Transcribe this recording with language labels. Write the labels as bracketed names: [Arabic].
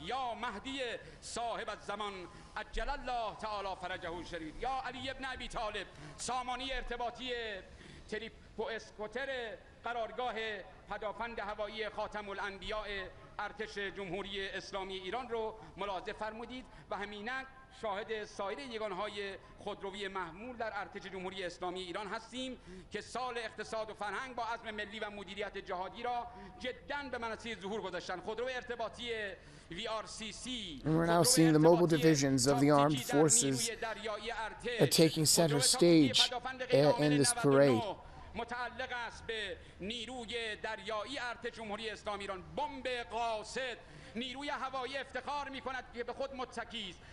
[Persian] یا مهدی صاحب الزمان عجل الله تعالی فرجه شریف، یا علی ابن ابی طالب، سامانی ارتباطی تریپ و اسکوتر قرارگاه پدافند هوایی خاتم الانبیاء ارتش جمهوری اسلامی ایران رو ملاحظه فرمودید و همینک شاهد سایر یگانهای خودروی محمول در ارتش جمهوری اسلامی ایران هستیم که سال اقتصاد و فرهنگ با عزم ملی و مدیریت جهادی را جدن به منصه ظهور گذاشتن. خودرو ارتباطی VRCC. [English] And we're now seeing the mobile divisions of the armed forces taking center stage in this parade. [Persian] متعلق است به نیروی دریایی ارتش جمهوری اسلامی ایران. بمب قاصد نیروی هوایی افتخار می‌کند که به خود متکی است.